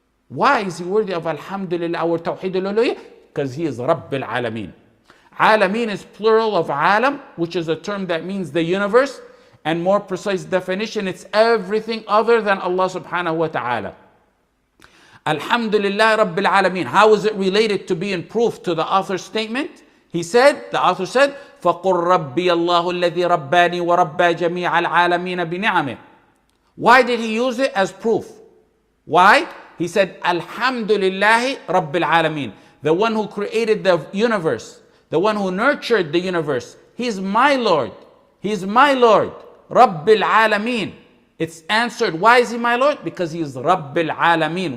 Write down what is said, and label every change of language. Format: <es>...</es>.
<en>Why is he worthy of Alhamdulillah or Tawheed al-Uluhiyya? Because he is Rabb al-Alameen. Alameen is plural of alam, which is a term that means the universe. And more precise definition, it's everything other than Allah subhanahu wa ta'ala. Alhamdulillah Rabbil Alameen. How is it related to being proof to the author's statement? The author said,</en> <ar>فَقُلْ رَبِّي اللَّهُ الَّذِي رَبَّانِي وَرَبَّى جَمِيعَ الْعَالَمِينَ بِنِعَمِهِ.</ar> <en>Why did he use it as proof? Why? He said, Alhamdulillah Rabbil Alameen. The one who created the universe, the one who nurtured the universe, he's my Lord, Rabbil Alameen. It's answered, why is he my Lord? Because he is Rabbil Alameen.</en>